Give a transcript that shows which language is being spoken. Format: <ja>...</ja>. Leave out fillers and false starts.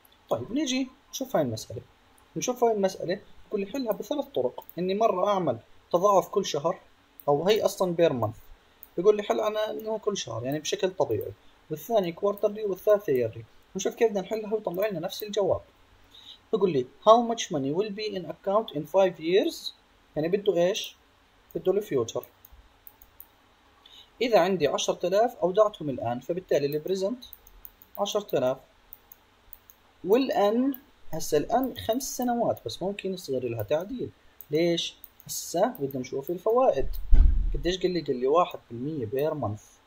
<ar>طيب نيجي نشوف هاي المساله، نشوف هاي المساله كل حلها بثلاث طرق. اني مره اعمل تضاعف كل شهر، او هي اصلا بير مانث، بيقول لي حل انا انها كل شهر يعني بشكل طبيعي، والثاني كوارترلي، والثالث ييرلي. نشوف كيف بدنا نحلها ويطلع لنا نفس الجواب. بيقول لي</ar> <en>how much money will be in account in 5 years،</en> <ar>يعني بده ايش؟ بده الفيوتشر. إذا عندي 10,000 أودعتهم الآن، فبالتالي البريزنت 10,000، والآن هسه الآن 5 سنوات، بس ممكن يصير لها تعديل. ليش؟ هسه بدنا نشوف الفوائد. قديش قال لي؟ قال لي 1% بير مانث.</ar>